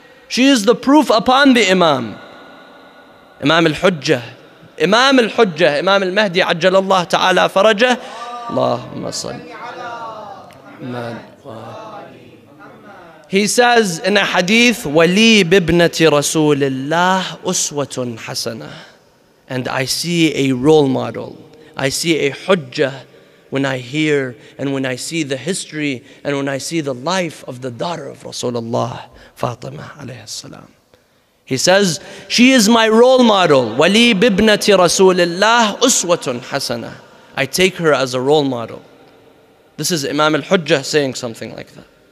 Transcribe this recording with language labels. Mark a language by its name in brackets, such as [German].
[English] She is the proof upon the Imam. Imam al-Hujjah, Imam al-Hujjah, Imam al-Mahdi, ajjalallah ta'ala farajah, [Arabic] اللهم صل على [English] He says in a hadith, [Arabic] ولي بابنة رسول الله أسوة حسنة. [English] And I see a role model. I see a hujjah when I hear and when I see the history and when I see the life of the daughter of Rasulullah, Fatima alayhi salam. He says, she is my role model. [Arabic] ولي بابنة رسول الله أسوة حسنة. [English] I take her as a role model. This is Imam al-Hujjah saying something like that.